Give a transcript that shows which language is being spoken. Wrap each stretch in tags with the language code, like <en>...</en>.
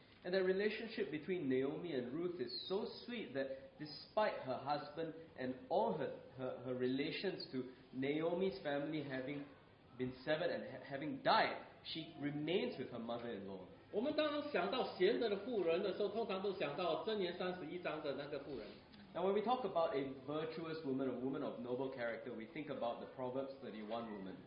<en>And the relationship between Naomi and Ruth is so sweet that despite her husband and all her relations to Naomi's family having been severed and having died, she remains with her mother-in-law.</en> <zh>我们当想到贤德的妇人的时候，通常都想到箴言三十一章的那个妇人。</zh> <en>Now when we talk about a virtuous woman, a woman of noble character, we think about the Proverbs 31 woman.</en>